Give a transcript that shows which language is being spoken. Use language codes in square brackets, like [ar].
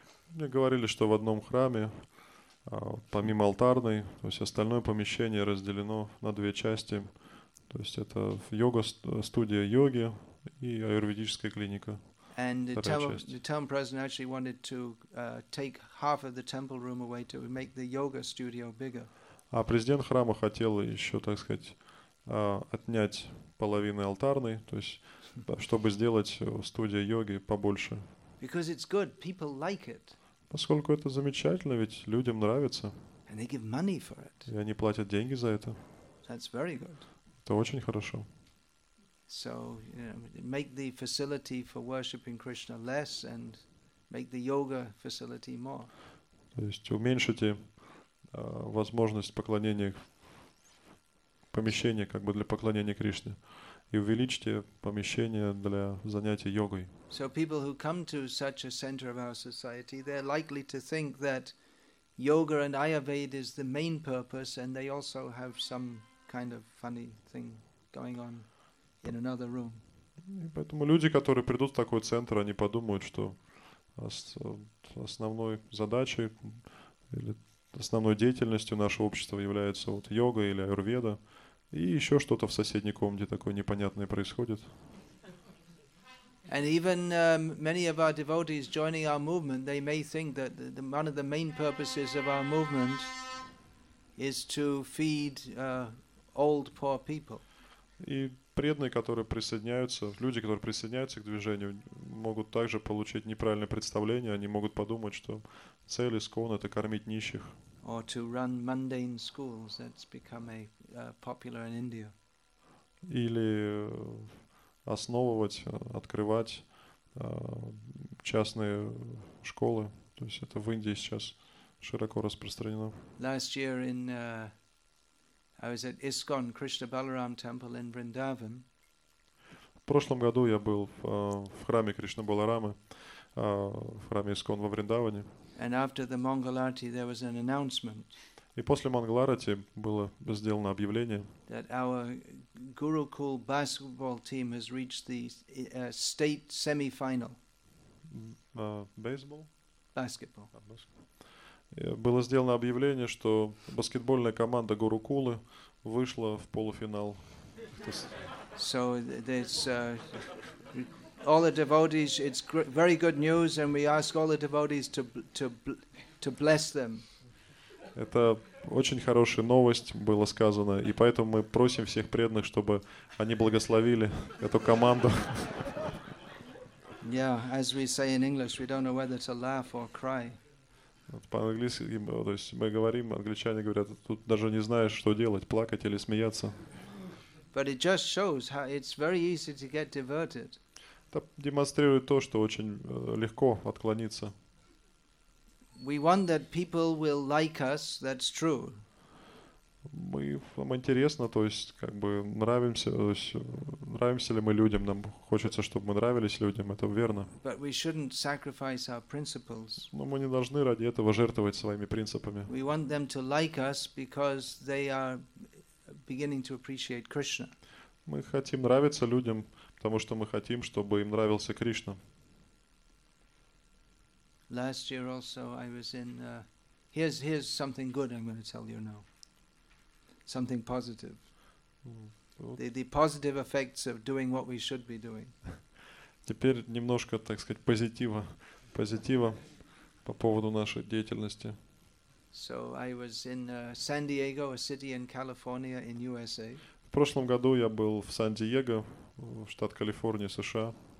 [ru] Мне говорили, что в одном храме, помимо алтарной, то есть остальное помещение разделено на две части. То есть это йога студия йоги и аюрведическая клиника. [en] And the town president actually wanted to take half of the temple room away to make the yoga studio bigger. [ru] А президент храма хотел еще, так сказать, отнять половину алтарной, то есть чтобы сделать студию йоги побольше. [en] Because it's good, people like it. [ru] Поскольку это замечательно, ведь людям нравится. [en] And they give money for it. [ru] И они платят деньги за это. [en] That's very good. [ru] Это очень хорошо. [en] So, you know, make the facility for worshiping Krishna less and make the yoga facility more. [ru] То есть уменьшите возможность поклонения, помещение как бы для поклонения Кришне, и увеличьте помещение для занятий йогой. [en] So people who come to such a center of our society, they're likely to think that yoga and Ayurveda is the main purpose, and they also have some kind of funny thing going on in another room. [ru] И поэтому люди, которые придут в такой центр, они подумают, что основной задачей или основной деятельностью нашего общества является вот йога или аюрведа, и еще что-то в соседней комнате такое непонятное происходит. [en] And even many of our devotees joining our movement, they may think that one of the main purposes of our movement is to feed old poor people. [ru] И преданные, которые присоединяются, люди, которые присоединяются к движению, могут также получить неправильное представление. Они могут подумать, что цель ИСККОН — это кормить нищих. [en] Or to run mundane schools, that's become a popular in India. [ru] Или основывать, открывать частные школы. То есть это в Индии сейчас широко распространено. [en] Last year in I was at ISKCON Krishna Balaram Temple in Vrindavan. [ru] В прошлом году я был в храме Кришна Баларамы, в храме ИСККОН во Вриндаване. [en] And after the Mangal Arati, there was an announcement. [ru] И после Mangal Arati было сделано объявление. [en] That our Gurukul basketball team has reached the state semi-final. Baseball? Basketball. [ru] Было сделано объявление, что баскетбольная команда Гурукулы вышла в полуфинал. [en] So there's all the devotees, it's very good news, and we ask all the devotees to bless them. [ru] Это очень хорошая новость было сказано, и поэтому мы просим всех преданных, чтобы они благословили эту команду. [en] Yeah, as we say in English, we don't know whether to laugh or cry. [ru] По-английски, то есть мы говорим, англичане говорят, тут даже не знаешь, что делать, плакать или смеяться. [en] But it just shows how it's very easy to get diverted. [ru] Это демонстрирует то, что очень легко отклониться. [en] We want that people will like us, that's true. [ru] Мы, нам интересно, то есть, как бы, нравимся, то есть, нравимся ли мы людям, нам хочется, чтобы мы нравились людям, это верно. [en] But we shouldn't sacrifice our principles. [ru] Но мы не должны ради этого жертвовать своими принципами. [en] We want them to like us because they are beginning to appreciate Krishna. [ru] Мы хотим нравиться людям, потому что мы хотим, чтобы им нравился Кришна. [en] Last year also I was in here's something good I'm going to tell you now. Something positive. The positive effects of doing what we should be doing. [ru] Теперь немножко, так сказать, позитива по поводу нашей деятельности. [en] So I was in San Diego, a city in California in USA. [ru] В прошлом году я был в Сан-Диего, штат Калифорния, США.